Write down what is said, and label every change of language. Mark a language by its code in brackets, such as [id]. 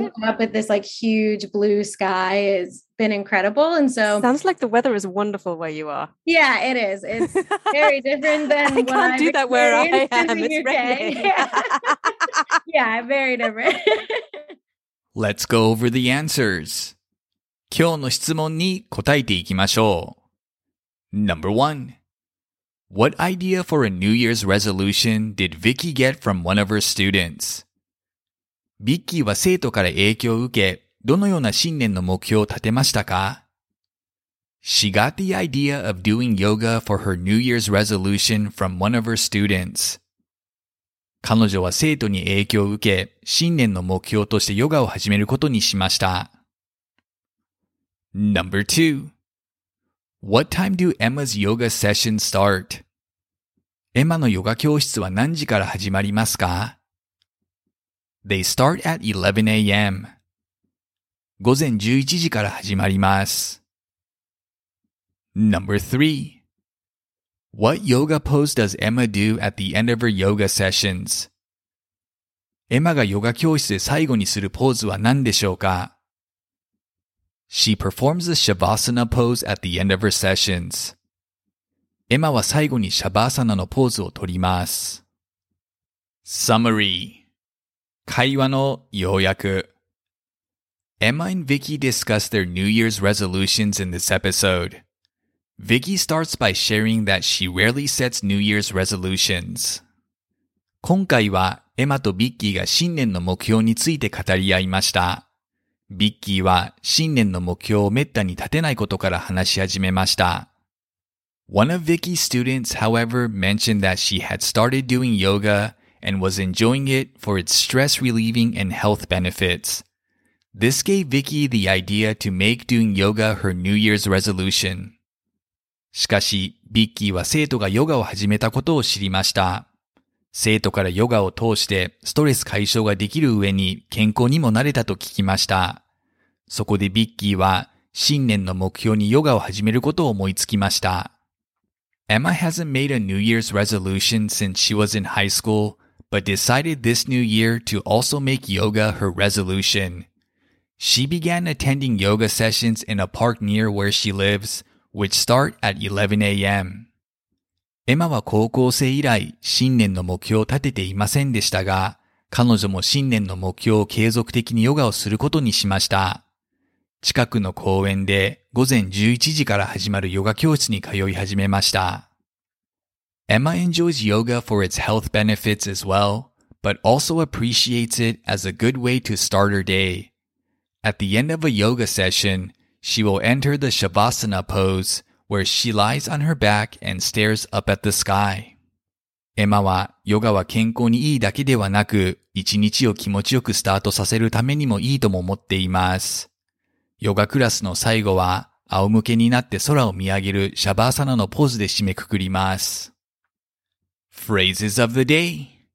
[en] look up at this like huge blue sky has been incredible. And so sounds like the weather is wonderful where you are. Yeah, it is. It's very different than I can't do that where I am. It's raining. Yeah. Yeah, very different. Let's go over the answers. [ja] 今日の質問に答えていきましょう。 [en] Number one, what idea for a New Year's resolution did Vicky get from one of her students? [ja] Vicky は生徒から影響を受け、どのような新年の目標を立てましたか? [en] She got the idea of doing yoga for her New Year's resolution from one of her students. [ja] 彼女は生徒に影響を受け、新年の目標としてヨガを始めることにしました。 [en] Number two,What time do Emma's yoga session start? [ja] エマのヨガ教室は何時から始まりますか? [en] They start at 11 a.m. [ja] 午前11時から始まります。 [en] Number three. What yoga pose does Emma do at the end of her yoga sessions? [ja] エマがヨガ教室で最後にするポーズは何でしょうか? [en] She performs a Shavasana pose at the end of her sessions. [ja] エマは最後にシャバーサナのポーズを取ります。 [en] Summary. [ja] 会話の要約。 [en] Emma and Vicky discuss their New Year's resolutions in this episode. Vicky starts by sharing that she rarely sets New Year's resolutions. [ja] 今回はエマとビッキーが新年の目標について語り合いました。ビッキーは新年の目標をめったに立てないことから話し始めました。 [en] One of Vicky's students, however, mentioned that she had started doing yoga and was enjoying it for its stress relieving and health benefits. This gave Vicky the idea to make doing yoga her New Year's resolution. [ja] しかし、ビッキーは生徒がヨガを始めたことを知りました。生徒からヨガを通してストレス解消ができる上に健康にもなれたと聞きました。そこでビッキーは新年の目標にヨガを始めることを思いつきました。 [en] Emma hasn't made a New Year's resolution since she was in high school, but decided this new year to also make yoga her resolution. She began attending yoga sessions in a park near where she lives, which start at 11 a.m. [ja] エマは高校生以来、新年の目標を立てていませんでしたが、彼女も新年の目標を継続的にヨガをすることにしました。近くの公園で午前11時から始まるヨガ教室に通い始めました。 [en] Emma enjoys yoga for its health benefits as well, but also appreciates it as a good way to start her day. At the end of a yoga session, she will enter the Shavasana pose, where she lies on her back and stares up at the sky. [ja] エマはヨガは健康にいいだけではなく、一日を気持ちよくスタートさせるためにもいいとも思っています。ヨガクラスの最後は、仰向けになって空を見上げるシャバーサナのポーズで締めくくります。 [en] Phrases of the day